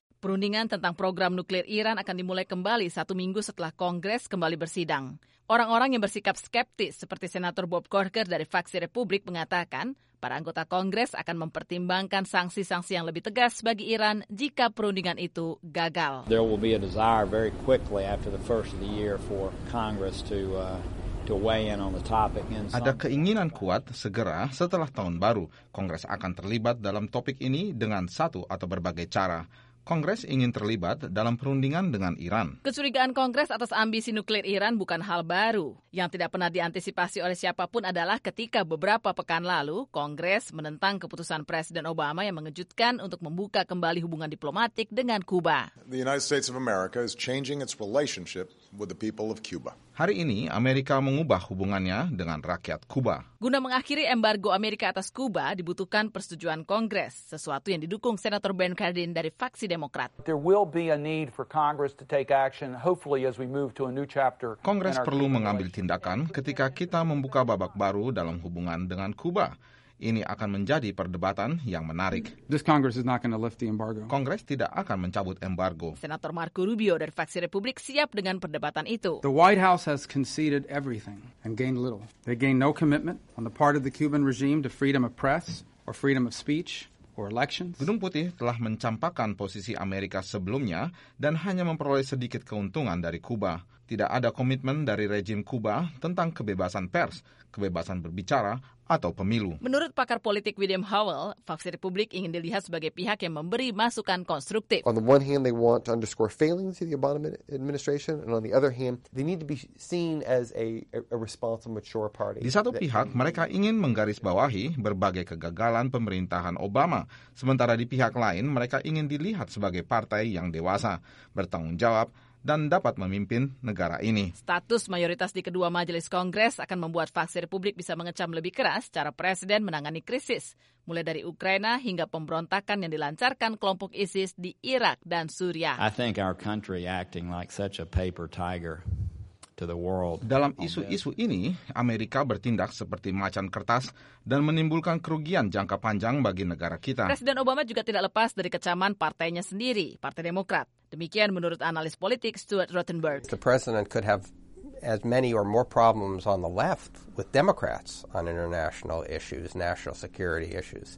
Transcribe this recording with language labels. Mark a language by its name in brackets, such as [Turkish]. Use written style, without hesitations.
[Indonesian] Perundingan tentang program nuklir Iran akan dimulai kembali satu minggu setelah Kongres kembali bersidang. Orang-orang yang bersikap skeptis seperti Senator Bob Corker dari fraksi Republik mengatakan para anggota Kongres akan mempertimbangkan sanksi-sanksi yang lebih tegas bagi Iran jika perundingan itu gagal. [English] There will be a desire very quickly after the first of the year for Congress to weigh in on the topic. [Indonesian] Ada keinginan kuat segera setelah tahun baru Kongres akan terlibat dalam topik ini dengan satu atau berbagai cara. Kongres ingin terlibat dalam perundingan dengan Iran. Kecurigaan Kongres atas ambisi nuklir Iran bukan hal baru. Yang tidak pernah diantisipasi oleh siapapun adalah ketika beberapa pekan lalu, Kongres menentang keputusan Presiden Obama yang mengejutkan untuk membuka kembali hubungan diplomatik dengan Kuba. [English] The United States of America is changing its relationship with the people of Cuba. [Indonesian] Hari ini, Amerika mengubah hubungannya dengan rakyat Kuba. Guna mengakhiri embargo Amerika atas Kuba, dibutuhkan persetujuan Kongres, sesuatu yang didukung Senator Ben Cardin dari faksi Demokrat. [English] There will be a need for Congress to take action, hopefully as we move to a new chapter. [Indonesian] Kongres perlu mengambil tindakan ketika kita membuka babak baru dalam hubungan dengan Kuba. Ini akan menjadi perdebatan yang menarik. [English] This Congress is not going to lift the embargo. [Indonesian] Kongres tidak akan mencabut embargo. Senator Marco Rubio dari faksi Republik siap dengan perdebatan itu. [English] The White House has conceded everything and gained little. They gained no commitment on the part of the Cuban regime to freedom of press or freedom of speech or elections. [Indonesian] Gedung Putih telah mencampakkan posisi Amerika sebelumnya dan hanya memperoleh sedikit keuntungan dari Kuba. Tidak ada komitmen dari rejim Kuba tentang kebebasan pers, kebebasan berbicara, atau pemilu. Menurut pakar politik William Howell, faksi Republik ingin dilihat sebagai pihak yang memberi masukan konstruktif. [English] On the one hand, they want to underscore failings of the Obama administration, and on the other hand, they need to be seen as a responsible, mature party. [Indonesian] Di satu pihak, mereka ingin menggarisbawahi berbagai kegagalan pemerintahan Obama, sementara di pihak lain, mereka ingin dilihat sebagai partai yang dewasa, bertanggung jawab, dan dapat memimpin negara ini. Status mayoritas di kedua majelis Kongres akan membuat faksi Republik bisa mengecam lebih keras cara Presiden menangani krisis, mulai dari Ukraina hingga pemberontakan yang dilancarkan kelompok ISIS di Irak dan Suriah. [English] I think our country acting like such a paper tiger to the world. [Indonesian] Dalam isu-isu ini, Amerika bertindak seperti macan kertas dan menimbulkan kerugian jangka panjang bagi negara kita. Presiden Obama juga tidak lepas dari kecaman partainya sendiri, Partai Demokrat. Demikian menurut analis politik Stuart Rothenberg. [English] The president could have as many or more problems on the left with Democrats on international issues, national security issues.